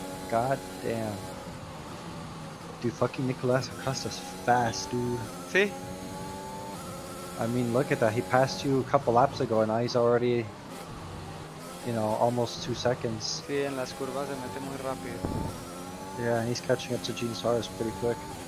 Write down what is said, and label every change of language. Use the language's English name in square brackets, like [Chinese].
[English] God damn. Dude, fucking Nicolas Acosta's fast, dude. See? I mean, look at that. He passed you a couple laps ago, and now he's already, you know, almost 2 seconds. [Spanish] Sí, en las curvas se mete muy rápido. [English] Yeah, and he's catching up to Gene Suarez pretty quick.